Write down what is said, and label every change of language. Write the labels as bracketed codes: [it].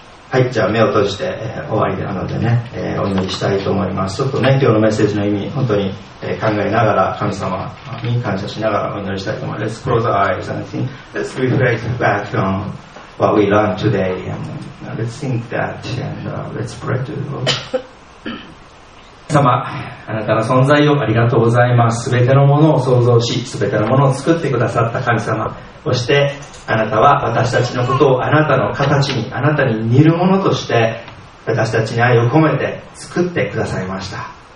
[ja] はい、じゃあ目を閉じて、終わりなのでね、お祈りしたいと思います。ちょっとね、今日のメッセージの意味本当に、考えながら神様、に感謝しながらお祈りしたいと思います。 [en] Let's close our eyes and think. Let's reflect back on what we learned today and let's think that and let's pray to the Lord. [ja] 様、あなたの存在をありがとうございます。すべてのものを創造し、すべてのものを作ってくださった神様、そしてあなたは私たちのことをあなたの形に、あなたに似るものとして私たちに愛を込めて作ってくださいました。